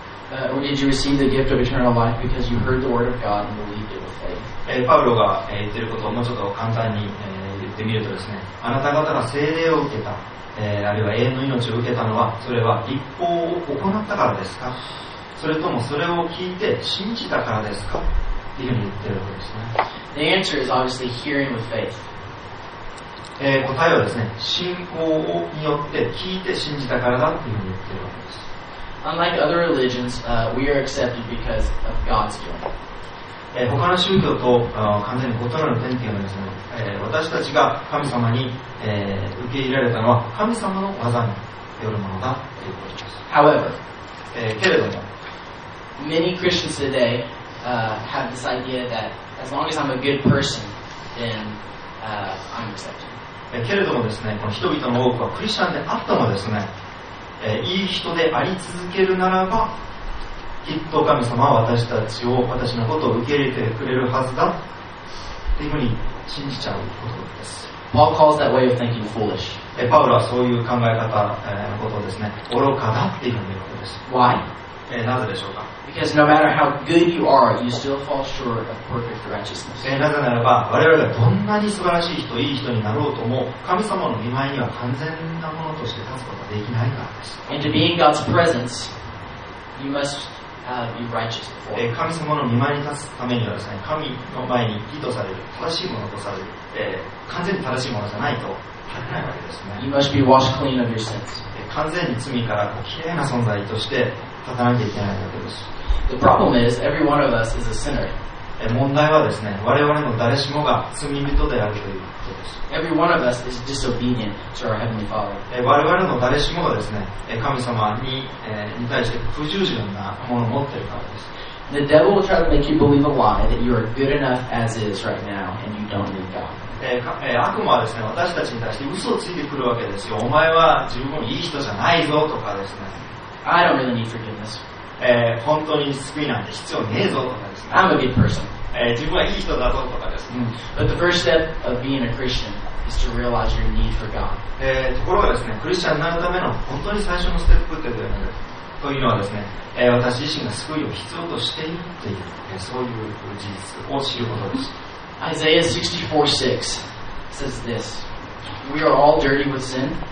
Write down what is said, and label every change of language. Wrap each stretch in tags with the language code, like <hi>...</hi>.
<en>Or did you receive the gift of eternal life because you heard the word of God and believed it with faith?</en> <ja>パウロが言っていることをもうちょっと簡単に言ってみるとですね、あなた方が聖霊を受けた、あるいは永遠の命を受けたのは、それは律法を行ったからですか？それともそれを聞いて信じたからですか？というふうに言っているわけですね。</ja> <en>The answer is obviously hearing with faith.</en> <ja>答えはですね、信仰によって聞いて信じたからだというふうに言っているわけです。</ja> <en>Unlike other religions, we are accepted because of God's doing.</en> <ja>他の宗教と完全に異なる点というのはですね、私たちが神様に受け入れられたのは神様の技によるものだということです。</ja> <en>However,</en> <ja>けれども、</ja> <en>many Christians today have this idea that as long as I'm a good person, then I'm accepted.</en> <ja>けれどもですね、この人々の多くはクリスチャンであってもですね、いい人であり続けるならば、きっと神様は私たちを、私のことを受け入れてくれるはずだというふうに信じちゃうことです。</ja> <en>Paul calls that way of thinking foolish.</en> <ja>パウロはそういう考え方のことをですね、愚かだっていうふうに言うことです。</ja> <en>Why?</en> <ja>なぜでしょうか。</ja> <en>Because no matter how good you are, you still fall short of perfect righteousness.</en> <ja>なぜならば、我々がどんなに素晴らしい人、いい人になろうとも、神様の御前には完全なものとして立つことができないからです。</ja> <en>And to be in God's presence, you must be righteous before.</en> <ja>神様の御前に立つためにはですね、神の前に義とされる、正しいものとされる、完全に正しいものじゃないと立てないわけですね。</ja> <en>You must be washed clean of your sins.</en> <ja>完全に罪からこう綺麗な存在として、</ja> <en>The problem is, every one of us is a sinner.</en> <ja>問題はですね、我々の誰しもが罪人であるということです。</ja> <en>Every one of us is disobedient to our Heavenly Father.</en> <ja>我々の誰しもがですね、神様に対して不従順なものを持っているからです。</ja> <en>The devil will try to make you believe a lie that you are good enough as is right now and you don't need God.</en> <ja>悪魔はですね、私たちに対して嘘をついてくるわけですよ。お前は自分もいい人じゃないぞとかですね。</ja> <en>I don't really need forgiveness.</en> <ja>本当に救いなんて必要ねえぞとかですね。</ja> <en>I'm a good person.</en> <ja>自分はいい人だぞとかですね。</ja> <en>But the first step of being a Christian is to realize your need for God.</en> <ja>ところがですね、クリスチャンになるための本当に最初のステップってというのは、というのはですね、私自身が救いを必要としているという、そういう事実を知ることです。</ja> <en>Isaiah 64:6 says this: We are all dirty with sin.</en>